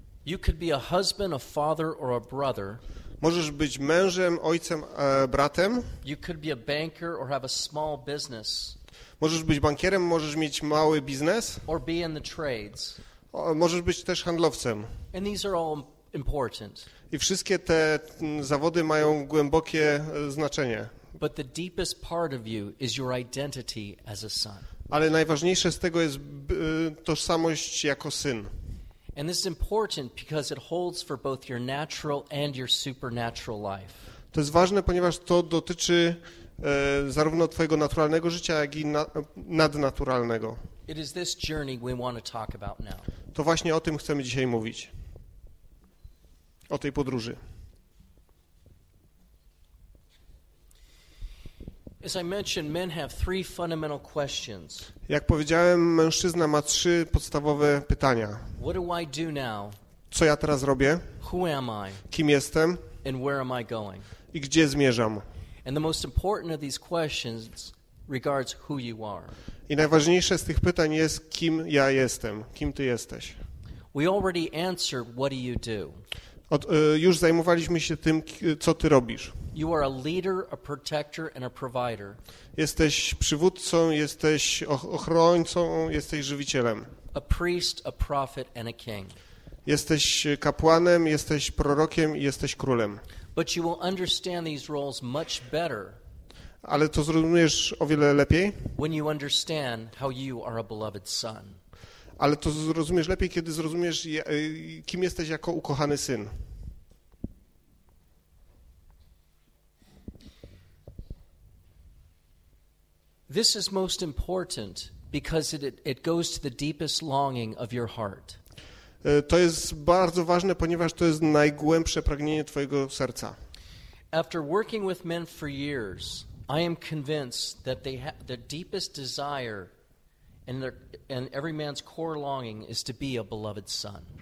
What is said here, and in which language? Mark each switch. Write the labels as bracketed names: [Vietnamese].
[English] You could be a husband, a father or a brother. [Polish] Możesz być mężem, ojcem, bratem. [English] You could be a banker or have a small business. [Polish] Możesz być bankierem, możesz mieć mały biznes. [English] Or be in the trades. [Polish] Możesz być też handlowcem. [English] And these are all important. [Polish] I wszystkie te zawody mają głębokie znaczenie. [English] But the deepest part of you is your identity as a son. [Polish] Ale najważniejsze z tego jest tożsamość jako syn. [English] And this is important because it holds for both your natural and your supernatural life. [Polish] To jest ważne, ponieważ to dotyczy zarówno twojego naturalnego życia, jak i nadnaturalnego. [English] It is this journey we want to talk about now. [Polish] To właśnie o tym chcemy dzisiaj mówić. O tej podróży. [English] As I mentioned, men have three fundamental questions. [Polish] Jak powiedziałem, mężczyzna ma trzy podstawowe pytania. [English] What do I do now? [Polish] Co ja teraz robię? [English] Who am I? [Polish] Kim jestem? [English] And where am I going? [Polish] I gdzie zmierzam? [English] And the most important of these questions regards who you are. [Polish] I najważniejsze z tych pytań jest, kim ja jestem, kim ty jesteś. [English] We already answered, what do you do? [Polish] Już zajmowaliśmy się tym, co ty robisz. [English] You are a leader, a protector and a provider. [Polish] Jesteś przywódcą, jesteś ochrońcą, jesteś żywicielem. [English] A priest, a prophet and a king. [Polish] Jesteś kapłanem, jesteś prorokiem i jesteś królem. [English] But you will understand these roles much better. [Polish] Ale to zrozumiesz o wiele lepiej. [English] When you understand how you are a beloved son. [Polish] Ale to zrozumiesz lepiej, kiedy zrozumiesz, kim jesteś jako ukochany syn. [English] This is most important because it goes to the deepest longing of your heart. [Polish] To jest bardzo ważne, ponieważ to jest najgłębsze pragnienie twojego serca. [English] After working with men for years, I am convinced that they have the deepest desire. And every man's core longing is to be a beloved son.